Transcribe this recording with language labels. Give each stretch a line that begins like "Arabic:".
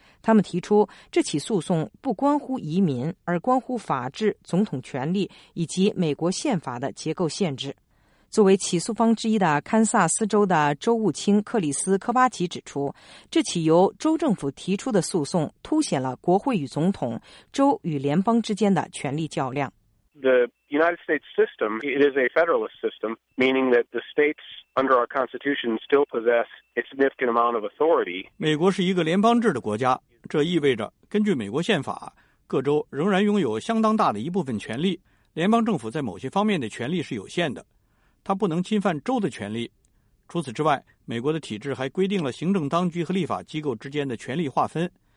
Chinese: 他们提出，这起诉讼不关乎移民，而关乎法治、总统权力以及美国宪法的结构限制。作为起诉方之一的堪萨斯州的州务卿克里斯·科巴奇指出，这起由州政府提出的诉讼凸显了国会与总统、州与联邦之间的权力较量。
English: The United States system, it is a federalist system, meaning that the states under our Constitution still possess a significant amount of authority.
Chinese: 美国是一个联邦制的国家，这意味着根据美国宪法，各州仍然拥有相当大的一部分权力，联邦政府在某些方面的权力是有限的。他不能侵犯州的权利。除此之外，美国的体制还规定了行政当局和立法机构之间的权力划分。